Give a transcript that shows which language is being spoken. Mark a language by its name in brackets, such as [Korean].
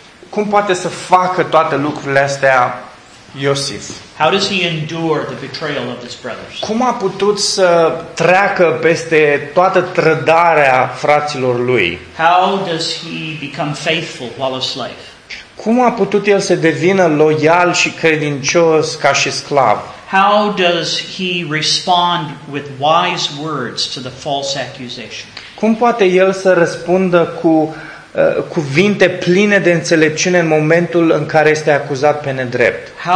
[Romanian] Cum poate să facă toate lucrurile astea Iosif? [English] How does he endure the betrayal of his brothers? [Romanian] Cum a putut să treacă peste toată trădarea fraților lui? [English] How does he become faithful while a slave? [Romanian] Cum a putut el să devină loial și credincios ca și sclav? [English] How does he respond with wise words to the false accusation? [Romanian] Cum poate el să răspundă cu cuvinte pline de înțelepciune în momentul în care este acuzat pe nedrept?